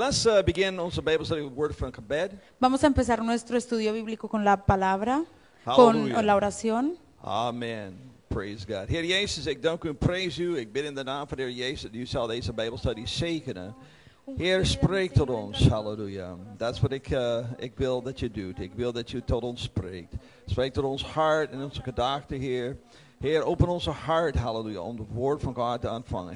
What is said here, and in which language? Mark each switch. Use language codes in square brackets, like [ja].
[en] Let's begin our Bible study with word from Kabed. [es] Vamos a empezar nuestro estudio bíblico con la palabra, con la oración. [en] Amen. Praise God. [nl] Heer Jezus, ik dank u en prijs u. Ik bid in de naam van de Heer Jezus dat u zal deze Bijbelstudie zegenen. Heer, spreek tot ons. Hallelujah. Dat is wat ik wil dat je doet. Ik wil dat u tot ons spreekt. Spreek tot ons hart en onze gedachten, Heer. Heer, open onze hart, hallelujah, om het woord van God te ontvangen.